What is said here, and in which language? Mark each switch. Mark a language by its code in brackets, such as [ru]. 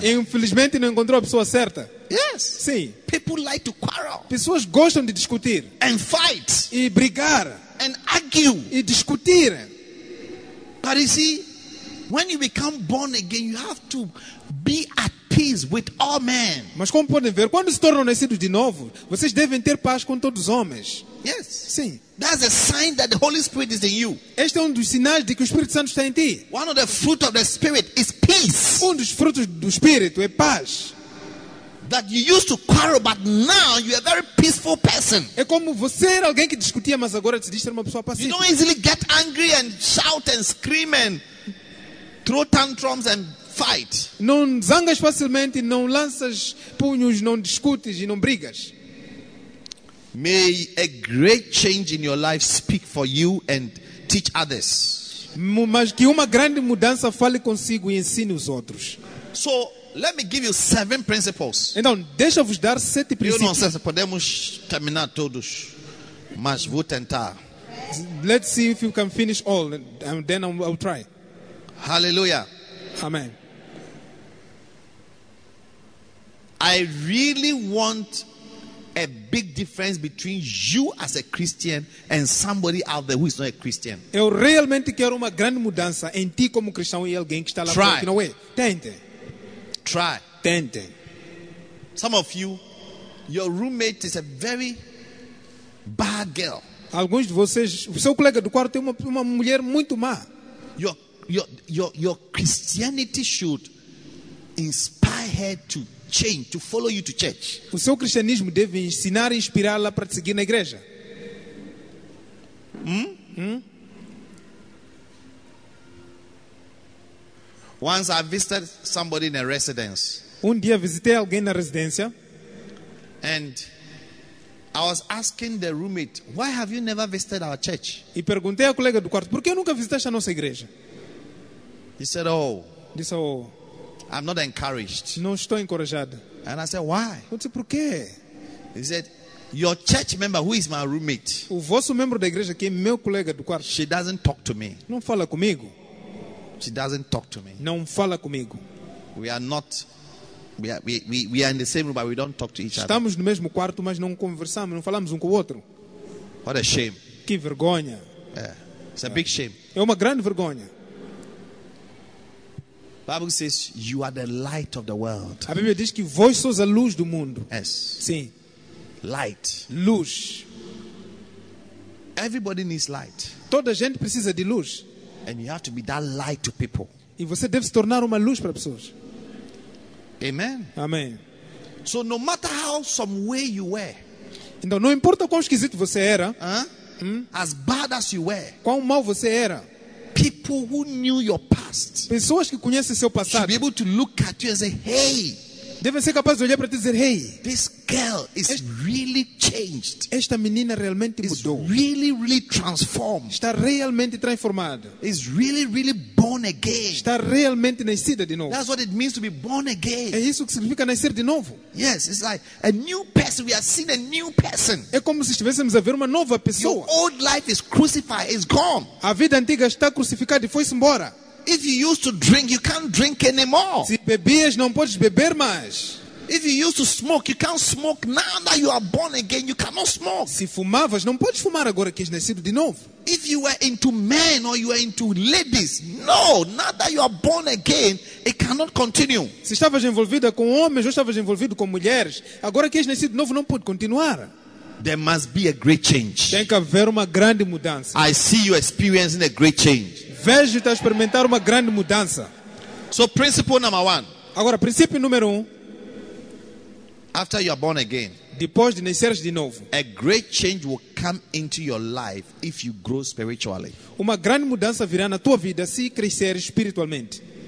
[pt] Infelizmente, não encontrou a pessoa certa. [en] Yes. [pt] Sim. [en] People like to quarrel. [pt] Pessoas gostam de discutir. [en] And fight. [pt] E brigar. [en] And argue. [pt] E discutir. [en] But you see, when you become born again, you have to be at peace with all men. [pt] Mas como podem ver, quando se tornam nascidos de novo, vocês devem ter paz com todos os homens. [en] Yes. [pt] Sim. [en] That's a sign that the Holy Spirit is in you. [pt] Este é dos sinais de que o Espírito Santo está em ti. [en] One of the fruit of the Spirit is peace. [pt] Dos frutos do Espírito é paz. [en] That you used to quarrel, but now you are a very peaceful person. [pt] É como você era alguém que discutia, mas agora te diz ser uma pessoa pacífica. [en] You don't easily get angry and shout and scream and throw tantrums and fight. [pt] Não zangas facilmente, não lanças punhos, não discutes e não brigas. [en] May a great change in your life speak for you and teach others. [pt] Mas que uma grande mudança fale consigo e ensine os outros. [en] So, let me give you 7 principles. [pt] Então, deixa-vos dar 7 princípios. Eu não sei se podemos terminar todos, mas vou tentar. [en] Let's see if you can finish all, and then I'll try. Hallelujah. Amen. I really want a big difference between you as a Christian and somebody out there who is not a Christian. [pt] Eu realmente quero uma grande mudança em ti como cristão e alguém que está lá fora. [en] No way. [pt] Tente. [en] Try. [pt] Tente. [en] Some of you, your roommate is a very bad girl. [pt] Alguns de vocês, o seu colega do quarto tem uma mulher muito má. [en] Your Christianity should inspire her to change, to follow you to church. [pt] O seu cristianismo deve ensinar e inspirá-la para te seguir na igreja. [en] Once I visited somebody in a residence. [pt] Um dia visitei alguém na residência. [en] And I was asking the roommate, why have you never visited our church? [pt] E perguntei ao colega do quarto, por que nunca visitaste a nossa igreja? [en] He said, oh. [pt] Ele disse, oh. [en] I'm not encouraged. [pt] Não estou encorajado. [en] And I said, why? [pt] Eu disse, por quê? [en] He said, your church member, who is my roommate? [pt] O vosso membro da igreja que é meu colega do quarto. [en] She doesn't talk to me. [pt] Não fala comigo. [en] She doesn't talk to me. [pt] Não fala comigo. [en] We are not. We are in the same room, but we don't talk to each [pt] Estamos [en] other. [pt] No mesmo quarto, mas não conversamos, não falamos com o outro. [en] What a shame. [pt] Que vergonha. [en] Yeah. It's a big shame. [pt] É uma grande vergonha. [en] Bible says you are the light of the world. [pt] A Bíblia diz que vós sois a luz do mundo. [en] Yes. [pt] Sim. [en] Light. [pt] Luz. [en] Everybody needs light. [pt] Toda gente precisa de luz. [en] And you have to be that light to people. [pt] E você deve se tornar uma luz para pessoas. [en] Amen. [pt] Amém. [en] So no matter how some way you were. [pt] Então não importa quão esquisito você era. [en] As bad as you were. [pt] Quão mal você era. [en] People who knew your past. [pt] Pessoas que conhecem seu passado. [en] Should be able to look at you and say, hey. [pt] Devem ser capazes de olhar para ti e dizer, hey. [en] This girl is really changed. [pt] Esta menina realmente [en] is [pt] mudou. [en] Really, really transformed. [pt] Está realmente transformada. [en] Is really, really born again. [pt] Está realmente nascida de novo. [en] That's what it means to be born again. [pt] É isso que significa nascer de novo. [en] Yes, it's like a new person. We are seeing a new person. [pt] É como se estivéssemos a ver uma nova pessoa. [en] Your old life is crucified. It's gone. [pt] A vida antiga está crucificada e foi embora. [en] If you used to drink, you can't drink anymore. [pt] Se bebias, não podes beber mais. [en] If you used to smoke, you can't smoke. Now that you are born again, you cannot smoke. [pt] Se fumavas, não podes fumar agora que és nascido de novo. [en] If you were into men or you were into ladies, no, now that you are born again, it cannot continue. [pt] Se estavas envolvida com homens ou estavas envolvido com mulheres, agora que és nascido de novo, não pode continuar. [en] There must be a great change. [pt] Tem que haver uma grande mudança. [en] I see you experiencing a great change. [pt] Vejo-te a experimentar uma grande mudança. [en] So, principle number one. [pt] Agora, princípio número um. [en] After you are born again. [pt] Depois de nasceres de novo. [en] A great change will come into your life if you grow spiritually. [pt] Uma grande mudança virá na tua vida se cresceres espiritualmente.